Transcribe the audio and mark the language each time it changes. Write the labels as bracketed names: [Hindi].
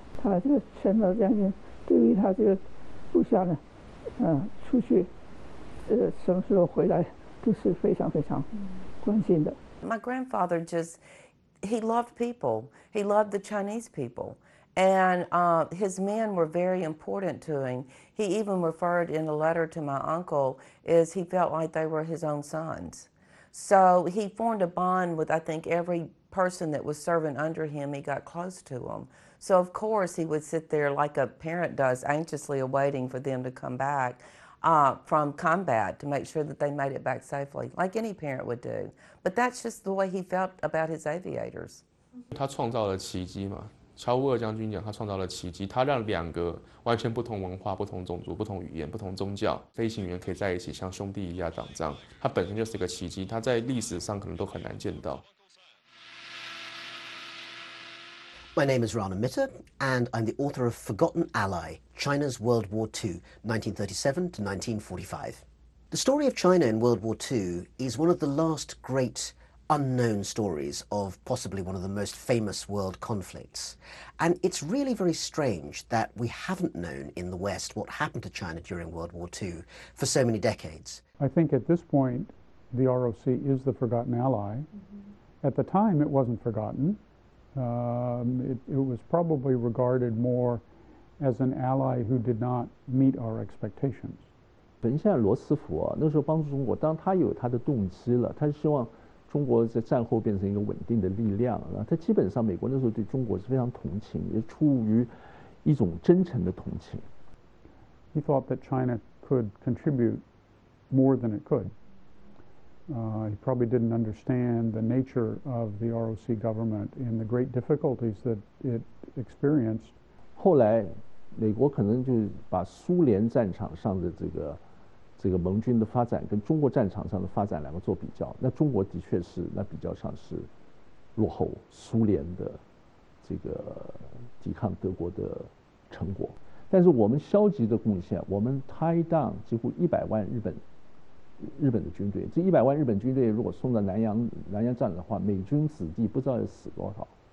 [Chinese] 他这个陈老将军对于他这个部下呢，出去，什么时候回来都是非常非常关心的。 [English] My grandfather just he loved people. He loved the Chinese people, and his men were very important to him. He even referred in a letter to my uncle. Is he felt like they were his own sons. So he formed a bond with, I think, every person that was serving under him. He got close to them. So, of course, he would sit there like a parent does, anxiously awaiting for them to come back from combat to make sure that they made it back safely, like any parent would do. But that's just the way he felt about his aviators. [Chinese] 他创造了奇迹嘛，乔乌尔将军讲，他创造了奇迹，他让两个完全不同文化、不同种族、不同语言、不同宗教飞行员可以在一起像兄弟一样打仗，他本身就是一个奇迹，他在历史上可能都很难见到。 [English] My name is Rana Mitter, and I'm the author of Forgotten Ally: China's World War II, 1937-1945. The story of China in World War II is one of the last great. Unknown stories of possibly one of the most famous world conflicts. And it's really very strange that we haven't known in the West what happened to China during World War II for so many decades. I think at this point, the ROC is the forgotten ally. Mm-hmm. At the time, it wasn't forgotten. It was probably regarded more as an ally who did not meet our expectations. [Chinese] 等一下，罗斯福啊，那时候帮助中国，当他有他的动机了，他希望中国在战后变成一个稳定的力量。然后他基本上美国那时候对中国是非常同情，也出于一种真诚的同情。 [English] He thought that China could contribute more than it could. He probably didn't understand the nature of the ROC government and the great difficulties that it experienced. [Chinese] 后来，美国可能就把苏联战场上的这个盟军的发展跟中国战场上的发展两个做比较，那中国的确是那比较上是落后苏联的这个抵抗德国的成果，但是我们消极的贡献，我们 [English] tie down [Chinese] 几乎100万日本的军队，这100万日本军队如果送到南洋战的话，美军子弟不知道要死多少。